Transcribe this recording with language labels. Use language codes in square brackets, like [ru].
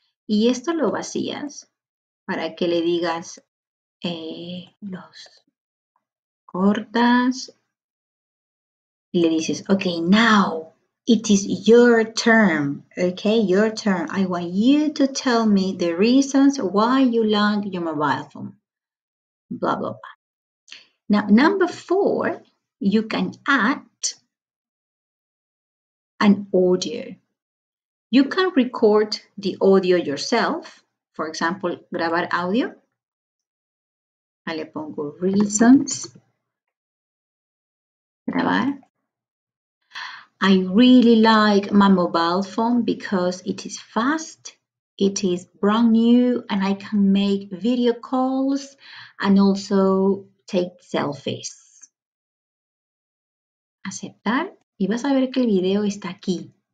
[es] Y esto lo vacías para que le digas los cortas. Y le dices, [en] okay, now it is your turn, okay, your turn. I want you to tell me the reasons why you like your mobile phone, blah, blah, blah. Now, number four, you can add an audio. You can record the audio yourself. For example, [es] grabar audio. Ahí le pongo reasons. Grabar. [en] I really like my mobile phone because it is fast, it is brand new, and I can make video calls and also take selfies. [es] Aceptar y vas a ver que el video está aquí.